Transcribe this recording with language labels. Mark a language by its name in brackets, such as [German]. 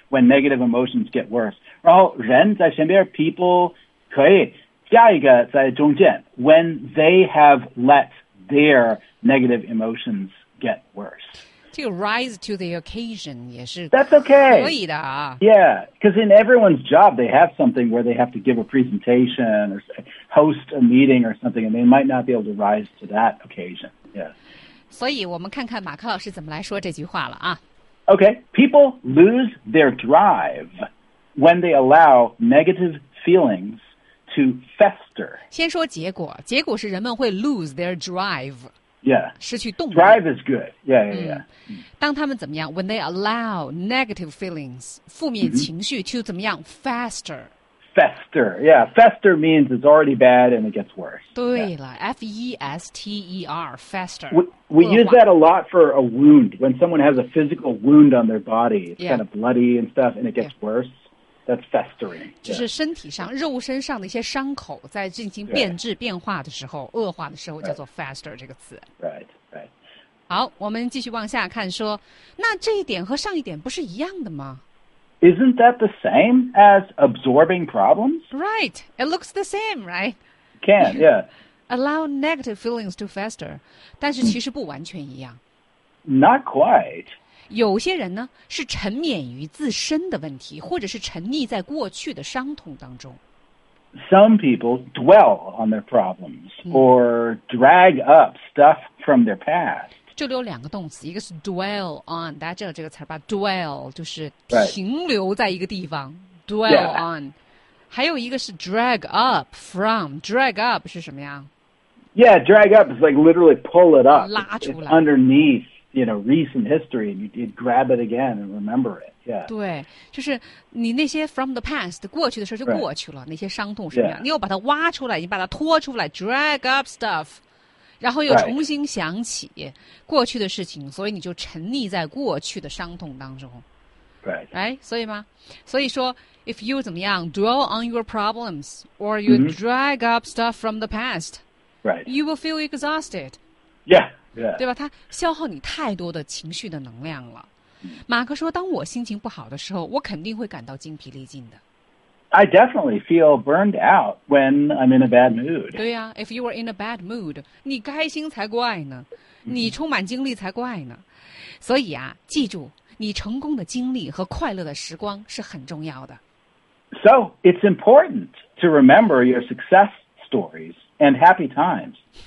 [English] When negative emotions get worse. [Chinese] 然后人在前边 [English] people [Chinese] 可以加一个在中间 [English] when they have let their negative emotions get worse. To rise to the occasion 也是 That's okay. [Chinese] 可以的啊 [English] Yeah, because in everyone's job, they have something where they have to give a presentation or host a meeting or something, and they might not be able to rise to that occasion. Yeah. [Chinese] 所以我们看看马克老师怎么来说这句话了啊 [English] Okay, people lose their drive when they allow negative feelings to fester. [Chinese] 先说结果，结果是人们会 [English] lose their drive. Yeah. [Chinese] 失去动力 [English] Drive is good. Yeah. [Chinese] 当他们怎么样 [English] ?When they allow negative feelings, [Chinese] 负面情绪 [English] to 怎么样 ?Faster. Fester. Yeah. Fester means it's already bad and it gets worse. 对了、yeah. F-E-S-T-E-R. Faster. We use that a lot for a wound. When someone has a physical wound on their body, it's、 kind of bloody and stuff and it gets、yeah. worse. That's festering. [Chinese] 就是身体上、 [English] yeah. [Chinese] 肉身上的一些伤口在进行变质、 [English] right. [Chinese] 变化的时候恶化的时候叫做 fester 这个词 [English] right. right [Chinese] 好我们继续往下看说那这一点和上一点不是一样的吗 [English] Isn't that the same as absorbing problems? Right It looks the same, right? Can, yeah Allow negative feelings to fester [Chinese] 但是其实不完全一样 [English] Not quite [Chinese] 有些人呢是沉湎于自身的问题，或者是沉溺在过去的伤痛当中。 [English] Some people dwell on their problems or drag up stuff from their past. [Chinese] 这里有两个动词，一个是 dwell on， 大家知道这个词吧 ？Dwell 就是停留在一个地方 ，dwell on。还有一个是 drag up from， drag up 是什么呀 [English] ？Yeah， drag up is like literally pull it up， [Chinese] 拉出来 [English] underneath。 You know, recent history, and you did grab it again and remember it. Yeah. [Chinese] 对，就是你那些 [English] from the past [Chinese] 过去的事就过去了， [English] right. [Chinese] 那些伤痛什么样， yeah. 你又把它挖出来，你把它拖出来 ， [English] drag up stuff， [Chinese] 然后又重新想起过去的事情， [English] right. [Chinese] 所以你就沉溺在过去的伤痛当中。 [English] Right. 哎，所以吗？ [Chinese] 所以说 [English] ，if you 怎么样 dwell on your problems or you drag up stuff from the past, right, you will feel exhausted. Yeah. Yeah. [Chinese] 对吧？它消耗你太多的情绪的能量了。马克说：“当我心情不好的时候，我肯定会感到精疲力尽的。” [English] I definitely feel burned out when I'm in a bad mood. [Chinese] 对呀、啊、 [English] if you are in a bad mood, [Chinese] 你开心才怪呢，你充满精力才怪呢。所以啊，记住，你成功的经历和快乐的时光是很重要的。 [English] So, it's important to remember your success stories and happy times.